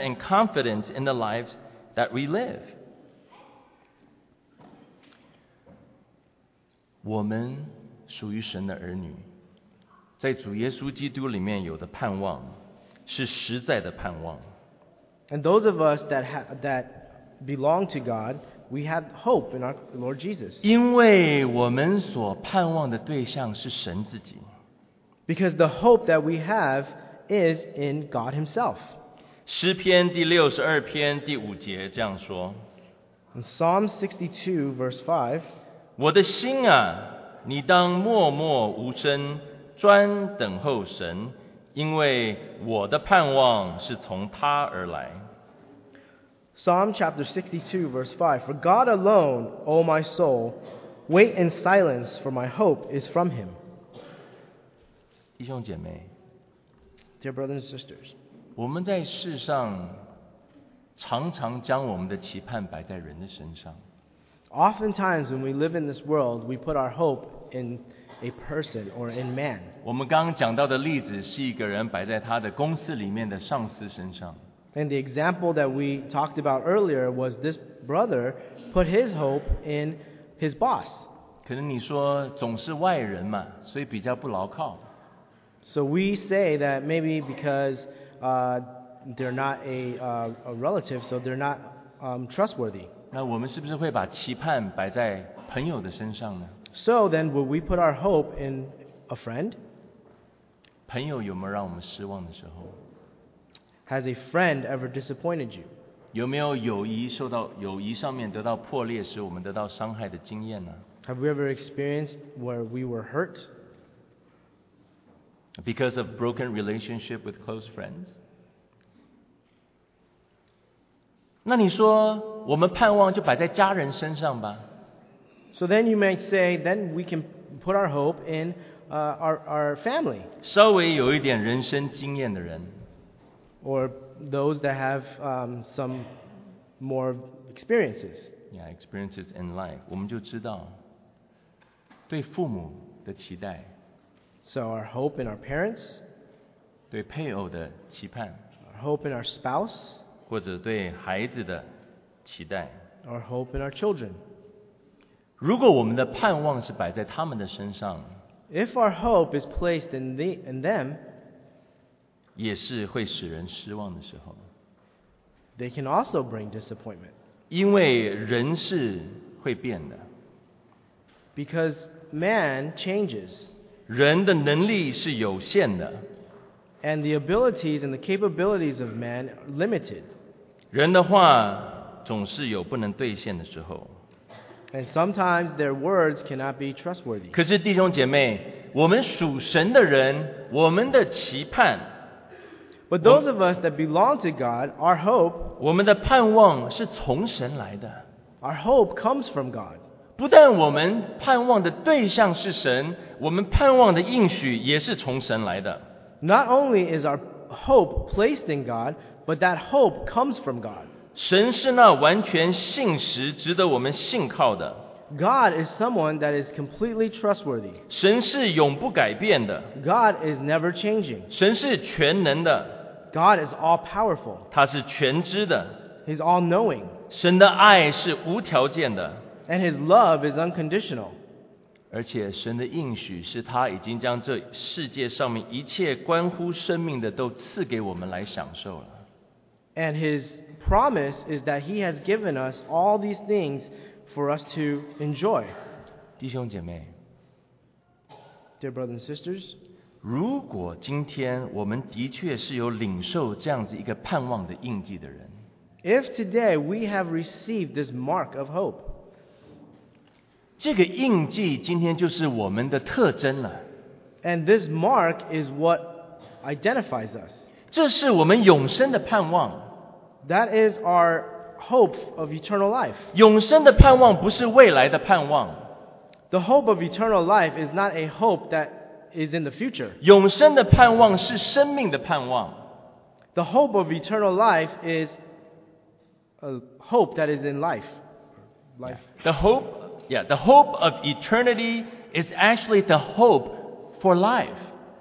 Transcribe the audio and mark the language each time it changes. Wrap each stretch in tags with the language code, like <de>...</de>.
<en>and confidence in the lives that we live.</en> <zh>我们属于神的儿女，在主耶稣基督里面有的盼望是实在的盼望。</zh> <en>And those of us that belong to God. We have hope in our Lord Jesus.</en> <zh>因为我们所盼望的对象是神自己。</zh> <en>Because the hope that we have is in God Himself.</en> <zh>诗篇第六十二篇第五节这样说。</zh> <en>In Psalm 62 verse 5,</en> <zh>我的心啊，你当默默无声，专等候神，因为我的盼望是从他而来。</zh> <en>Psalm chapter 62 verse 5 For God alone, O my soul, wait in silence, for my hope is from him.</en> <zh>弟兄姐妹</zh> <en>Dear brothers and sisters,</en> <zh>我们在世上常常将我们的期盼摆在人的身上。</zh> <en>Oftentimes when we live in this world, we put our hope in a person or in man.</en> <zh>我们刚刚讲到的例子是一个人摆在他的公司里面的上司身上。</zh> <en>And the example that we talked about earlier was this brother put his hope in his boss.</en> <zh>可能你说总是外人嘛，所以比较不牢靠。</zh> <en>So we say that maybe because they're not a relative, so they're not trustworthy.</en> <zh>那我们是不是会把期盼摆在朋友的身上呢？</zh> <en>So then, will we put our hope in a friend?</en> <zh>朋友有没有让我们失望的时候？</zh> <en>Has a friend ever disappointed you?</en> <zh>有没有友谊受到友谊上面得到破裂时，我们得到伤害的经验呢？</zh> <en>Have we ever experienced where we were hurt? Because of broken relationship with close friends?</en> <zh>那你说，我们盼望就摆在家人身上吧。</zh> <en>So then you might say, then we can put our hope in our family.</en> <zh>稍微有一点人生经验的人。</zh> <en>Or those that have some more experiences. Yeah, experiences in life.</en> <zh>我们就知道对父母的期待。</zh> <en>So our hope in our parents.</en> <zh>对配偶的期盼。</zh> <en>Our hope in our spouse.</en> <zh>或者对孩子的期待。</zh> <en>Our hope in our children.</en> <zh>如果我们的盼望是摆在他们的身上，</zh> <en>If our hope is placed in them,</en> <zh>也是会使人失望的时候。</zh> <en>They can also bring disappointment.</en> <zh>因为人是会变的。</zh> <en>Because man changes.</en> <zh>人的能力是有限的。</zh> <en>And the abilities and the capabilities of man are limited.</en> <zh>人的话总是有不能兑现的时候。</zh> <en>And sometimes their words cannot be trustworthy.</en> <zh>可是弟兄姐妹，我们属神的人，我们的期盼。</zh> <en>But those of us that belong to God, our hope.</en> <zh>我们的盼望是从神来的。</zh> <en>Our hope comes from God.</en> <zh>不但我们盼望的对象是神，我们盼望的应许也是从神来的。</zh> <en>Not only is our hope placed in God, but that hope comes from God.</en> <zh>神是那完全信实值得我们信靠的。</zh> <en>God is someone that is completely trustworthy.</en> <zh>神是永不改变的。</zh> <en>God is never changing.</en> <zh>神是全能的。</zh> <en>God is all powerful.</en> <zh>他是全知的。</zh> <en>He's all knowing.</en> <zh>神的爱是无条件的。</zh> <en>And his love is unconditional.</en> <zh>而且神的应许是他已经将这世界上面一切关乎生命的都赐给我们来享受了。</zh> <en>And his promise is that he has given us all these things for us to enjoy.</en> <zh>弟兄姐妹，</zh> <en>Dear brothers and sisters,</en> <zh>如果今天我们的确是有领受这样子一个盼望的印记的人，</zh> <en>If today we have received this mark of hope,</en> <zh>这个印记今天就是我们的特征了。</zh> <en>And this mark is what identifies us.</en> <zh>这是我们永生的盼望。</zh> <en>That is our hope of eternal life.</en> <zh>永生的盼望不是未来的盼望。</zh> <en>The hope of eternal life is not a hope that is in the future.</en> <zh>永生的盼望是生命的盼望。</zh> <en>The hope of eternal life is a hope that is in life. The hope of eternity is actually the hope for life.</en>